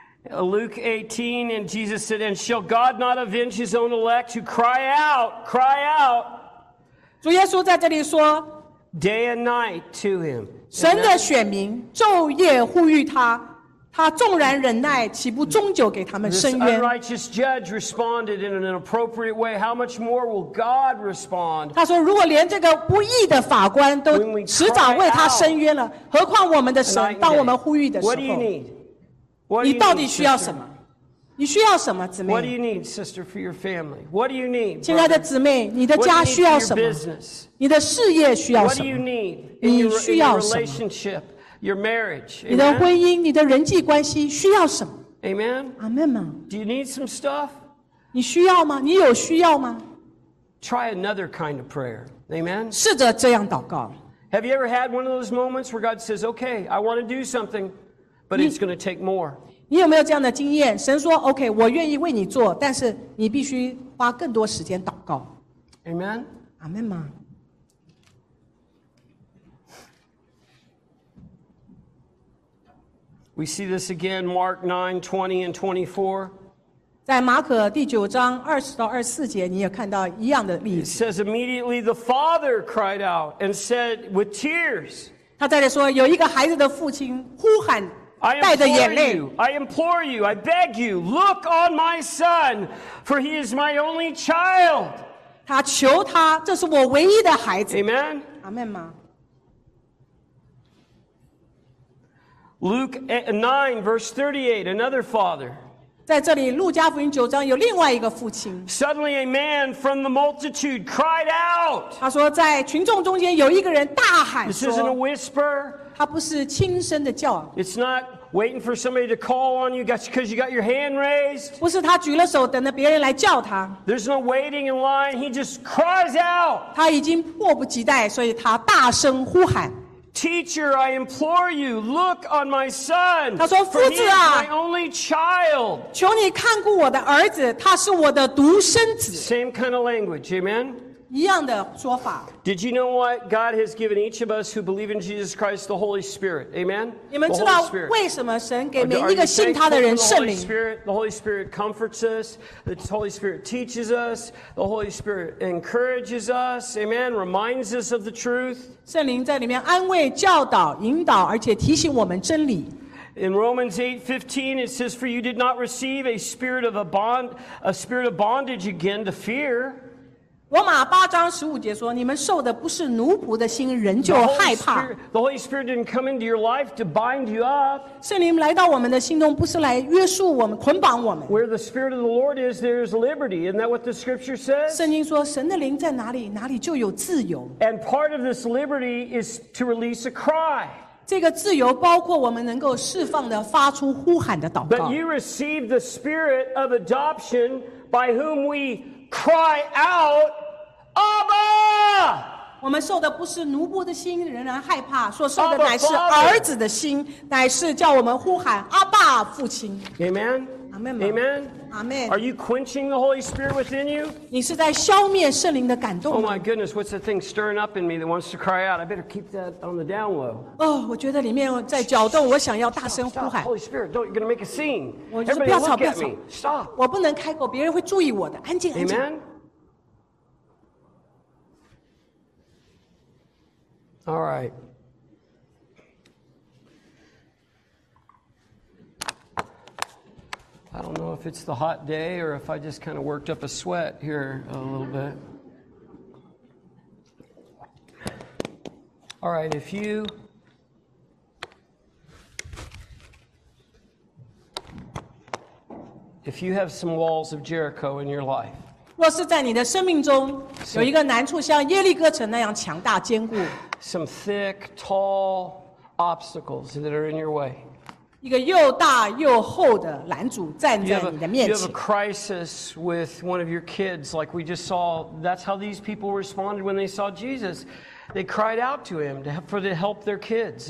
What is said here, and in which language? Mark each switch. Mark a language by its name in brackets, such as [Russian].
[English] Luke 18, and Jesus said, "And shall God not avenge His own elect who cry out, cry out?" [Chinese] 主耶稣在这里说 [English] ，Day and night to Him. [Chinese] 神的选民昼夜呼吁他。他纵然忍耐，岂不终究给他们伸冤？ [English] This unrighteous judge responded in an inappropriate way. How much more will God respond? [Chinese] 他说：“如果连这个不义的法官都迟早为他伸冤了，何况我们的神？当我们呼吁的时候， [English] What do you need? [Chinese] 你到底需要什么？你需要什么，姊妹 [English] ？What do you need, sister, for your family? What do you need, [Chinese] 亲爱的姊妹，你的家需要什么？ [English] What do you need for your business? [Chinese] 你的事业需要什么？ [English] What do you need? [Chinese] 你需要什么？ [English] Relationship? Your marriage, [Chinese] 你的婚姻，你的人际关系需要什么 [English] ？Amen. Amen. Do you need some stuff? [Chinese] 你需要吗？你有需要吗 [English] ？Try another kind of prayer. Amen. [Chinese] 试着这样祷告。 [English] Have you ever had one of those moments where God says, "Okay, I want to do something, but it's going to take more"? [Chinese] 你有没有这样的经验？神说 ，OK， 我愿意为你做，但是你必须花更多时间祷告。 [English] Amen. Amen. We see this again, Mark 9:20 and 24. [Chinese] 在马可第九章二十到二十四节，你也看到一样的例子。 [English] It says immediately the father cried out and said with tears. [Chinese] 他在这说，有一个孩子的父亲呼喊。带着眼泪, [English] I implore you, I beg you, look on my son, for he is my only child. [Chinese] 他求他，这是我唯一的孩子。 [English] Amen. Amen. Luke 9, verse 38, another father. [Chinese] 在这里，路加福音九章有另外一个父亲。 [English] Suddenly a man from the multitude cried out. [Chinese] 他说，在群众中间有一个人大喊说。 [English] This isn't a whisper. [Chinese] 他不是轻声的叫。 [English] It's not waiting for somebody to call on you because you got your hand raised. [Chinese] 不是他举了手等着别人来叫他。 [English] There's no waiting in line. He just cries out. [Chinese] 他已经迫不及待，所以他大声呼喊。 [English] Teacher, I implore you, look on my son. [Chinese] 他说：“夫子啊， [English] my only child. [Chinese] 求你看顾我的儿子，他是我的独生子。” [English] Same kind of language. Amen. [Chinese] 一样的说法。 [English] Did you know what God has given each of us who believe in Jesus Christ the Holy Spirit? Amen. [Chinese] 你们知道为什么神给每一个信他的人圣灵 [English] ？The Holy Spirit comforts us. The Holy Spirit teaches us. The Holy Spirit encourages us. Amen. Reminds us of the truth. [Chinese] 圣灵在里面安慰、教导、引导，而且提醒我们真理。 [English] In Romans 8:15, it says, "For you did not receive a spirit of bondage again to fear." [Chinese] 罗马八章十五节说：“你们受的不是奴仆的心，仍旧害怕。” [English] The Holy Spirit didn't come into your life to bind you up. [Chinese] 圣灵来到我们的心中，不是来约束我们、捆绑我们。 [English] Where the Spirit of the Lord is, there is liberty. Isn't that what the Scripture says? [Chinese] 圣经说，神的灵在哪里，哪里就有自由。 [English] And part of this liberty is to release a cry. [Chinese] 这个自由包括我们能够释放的、发出呼喊的祷告。 [English] But you receive the Spirit of adoption by whom we cry out. Abba! [Chinese] 我们受的不是奴仆的心仍然害怕所受的乃是儿子的心乃是叫我们呼喊阿爸父亲 [English] Amen. Amen. Amen. Amen. Are you quenching the Holy Spirit within you? [Chinese] 你是在消灭圣灵的感动 [English] Oh my goodness, what's the thing stirring up in me that wants to cry out? I better keep that on the down low. [Chinese] Oh, 我觉得里面在搅动我想要大声呼喊 [English] stop, stop. Holy Spirit, don't, you're going to make a scene. [Chinese] 我就说不要吵不要吵 [English] Stop. [Chinese] 我不能开口别人会注意我的安静安静 [English] Amen. All right. I don't know if it's the hot day or if I just kind of worked up a sweat here a little bit. All right, if you have some walls of Jericho in your life, [Chinese] 若是在你的生命中有一个难处像耶利哥城那样强大坚固。 [English] Some thick, tall obstacles that are in your way. [Chinese] 一个又大又厚的拦阻站在你的面前。 [English] You have a crisis with one of your kids, like we just saw. That's how these people responded when they saw Jesus. They cried out to him to help their kids.